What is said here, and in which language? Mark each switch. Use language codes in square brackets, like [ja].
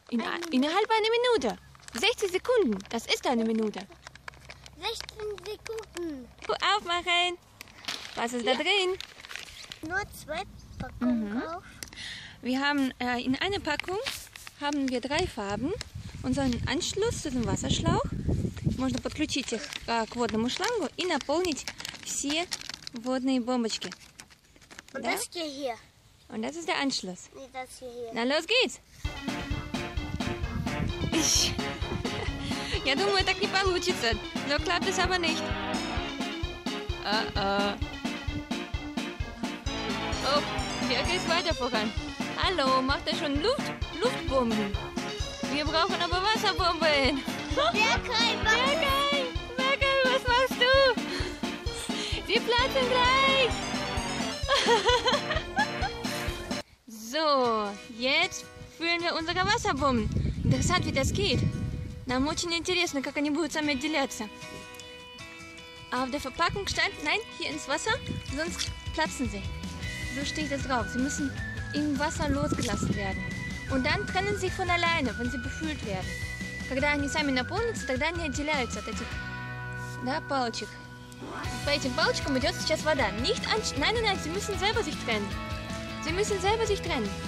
[de] Innerhalb einer Minute. 60 Sekunden, das ist eine Minute. 16 Sekunden. Aufmachen! Was ist da drin? Nur zwei Packungen auf. Wir haben in einer Packung haben wir drei Farben. Unseren Anschluss zu dem Wasserschlauch. [ru] Можно подключить их к водному шлангу и наполнить все водные бомбочки. [de] Und das hier. Und das ist der Anschluss. Nee, das hier. Na, los geht's! [ru] Я думаю, так не получится. [de] Но klappt es aber nicht. Oh, hier geht's weiter voran. Hallo, macht ihr schon Luftbomben? Wir brauchen aber Wasserbomben. Berkay, was machst du? Die platzen gleich. So, jetzt füllen wir unsere Wasserbomben. Interessant, wie das geht. [ru] Нам очень интересно, как они будут сами отделяться. [de] Auf der Verpackung stand, nein, hier ins Wasser, sonst platzen sie. So steht es drauf. Sie müssen im Wasser losgelassen werden. Und dann trennen sie von alleine, wenn sie befüllt werden. [ru] Когда они сами наполнятся, тогда они отделяются от этих, да, палочек. По этим палочкам идет сейчас вода. [de] Nein, sie müssen selber sich trennen. Sie müssen selber sich trennen.